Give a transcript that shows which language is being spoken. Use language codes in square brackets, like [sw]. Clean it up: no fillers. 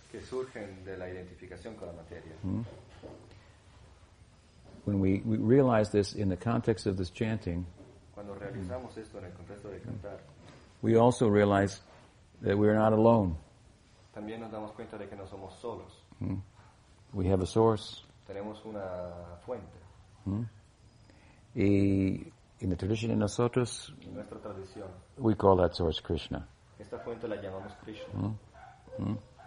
[es] que surgen de la identificación con la materia. [en] When we realize this in the context of this chanting, [es] cuando realizamos esto en el contexto de cantar, [en] we also realize that we are not alone. [es] También nos damos cuenta de que no somos solos. [en] We have a source. [es] Tenemos una fuente. [en] Y in the tradition [es] de nosotros, en nuestra tradición, [en] we call that source Krishna. [es] Esta fuente la llamamos Krishna.